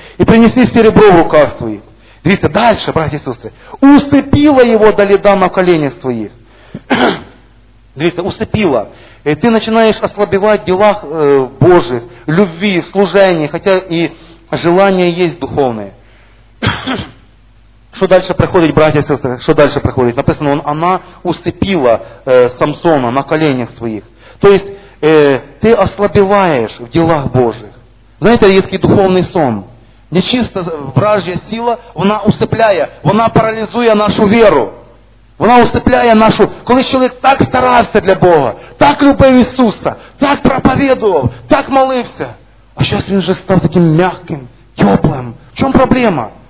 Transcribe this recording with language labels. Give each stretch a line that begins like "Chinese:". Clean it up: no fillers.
Ukrainian: І принесли серебро в руках своїх. Дивіться, далі, браті і сестри. Усипіла його Даліда на коленях своїх. Дивіться, усипіла. І ти починаєш ослабівати в ділах Божих, любві, в служенні, хоча і желання є духовне.
Russian: Что дальше проходит, братья и сестры? Что дальше проходит? Написано, она усыпила Самсона на коленях своих. То есть ты ослабеваешь в делах Божьих. Знаете, есть такой духовный сон.
Ukrainian: Нечисто вражья сила, вона усыпляє, вона паралізує нашу веру. Вона усыпляє нашу... Коли чоловік так старався для Бога, так любив Ісуса, так проповедував, так молився, а зараз він вже став таким м'яким, теплим. В чому проблема?